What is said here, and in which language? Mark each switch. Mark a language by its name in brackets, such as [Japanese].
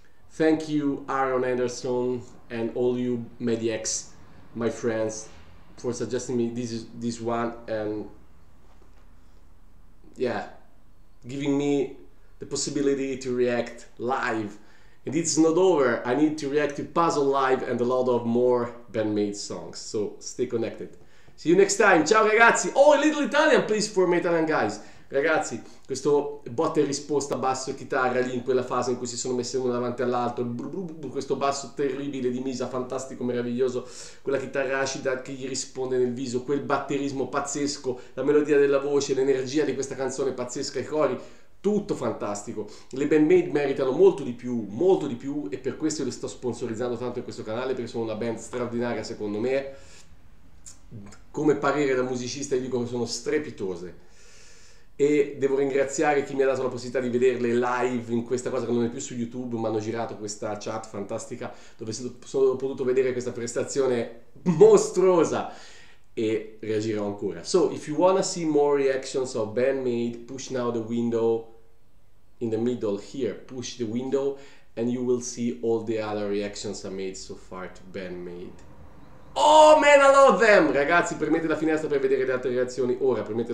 [English] Thank you, Aaron Anderson, and all you Mediex, my friends, for suggesting me this one, and yeah, giving me the possibility to react live. And it's not over, I need to react to Puzzle Live and a lot of more Band-Maid songs, so stay connected. See you next time. [Italian] Ciao ragazzi. [English] Oh, a little Italian, please, for me Italian guys. [Italian] Ragazzi, questo botta e risposta basso e chitarra lì in quella fase in cui si sono messi uno davanti all'altro. Questo basso terribile di Misa, fantastico, meraviglioso. Quella chitarra acida che gli risponde nel viso. Quel batterismo pazzesco. La melodia della voce, l'energia di questa canzone pazzesca, i cori. Tutto fantastico. Le Band Maid meritano molto di più, molto di più. E per questo io le sto sponsorizzando tanto in questo canale, perché sono una band straordinaria, secondo me. Come parere da musicista, io dico che sono strepitose, e devo ringraziare chi mi ha dato la possibilità di vederle live in questa cosa che non è più su YouTube, ma hanno girato questa chat fantastica dove sono potuto vedere questa prestazione mostruosa, e reagirò ancora. [English] So if you wanna see more reactions of Band Maid, push now the window in the middle here, push the window and you will see all the other reactions I made so far to Band Maid. Oh man, I love them! [Italian] Ragazzi, premete la finestra per vedere le altre reazioni. Ora, premete la finestra per vedere le altre reazioni che ho fatto le Band Maid. Scoprirete pezzi sensazionali.